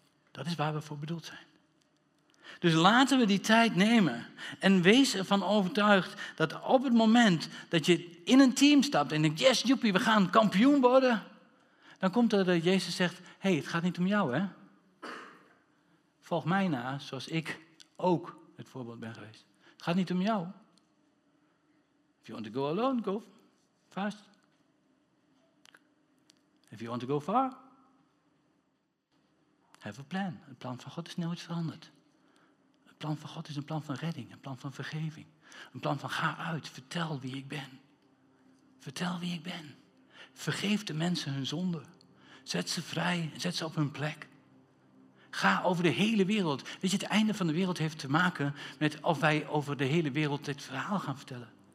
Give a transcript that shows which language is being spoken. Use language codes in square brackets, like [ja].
[nl] Dat is waar we voor bedoeld zijn. Dus laten we die tijd nemen en wees ervan overtuigd dat op het moment dat je in een team stapt en denkt, yes, joepie, we gaan kampioen worden, dan komt er dat Jezus zegt, hey, het gaat niet om jou, hè? Volg mij na, zoals ik ook het voorbeeld ben geweest. Het gaat niet om jou. [en] If you want to go alone, go fast. If you want to go far, have a plan. [nl] Het plan van God is nooit veranderd. Het plan van God is een plan van redding, een plan van vergeving. Een plan van ga uit, vertel wie ik ben. Vertel wie ik ben. Vergeef de mensen hun zonden. Zet ze vrij, zet ze op hun plek. Ga over de hele wereld. Weet je, het einde van de wereld heeft te maken met of wij over de hele wereld dit verhaal gaan vertellen.